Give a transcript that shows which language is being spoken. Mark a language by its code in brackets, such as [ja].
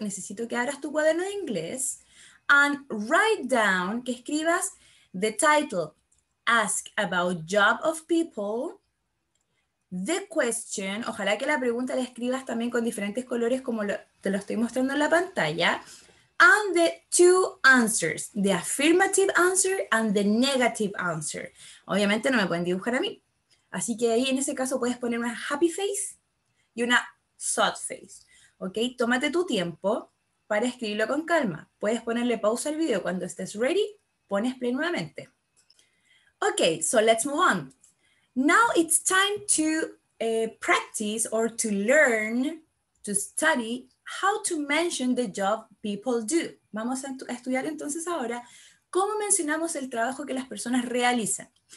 [es] Necesito que abras tu cuaderno de inglés [en] and write down, [es] que escribas [en] the title, ask about job of people, the question, [es] ojalá que la pregunta la escribas también con diferentes colores como lo, te lo estoy mostrando en la pantalla, [en] and the two answers, the affirmative answer and the negative answer. [es] Obviamente no me pueden dibujar a mí. Así que ahí en ese caso puedes poner una happy face y una sad face. Ok, tómate tu tiempo para escribirlo con calma. Puedes ponerle pausa al video cuando estés ready, pones play nuevamente. [en] Ok, so let's move on. Now it's time to practice or to learn, to study how to mention the job people do. [es] Vamos a estudiar entonces ahora cómo mencionamos el trabajo que las personas realizan.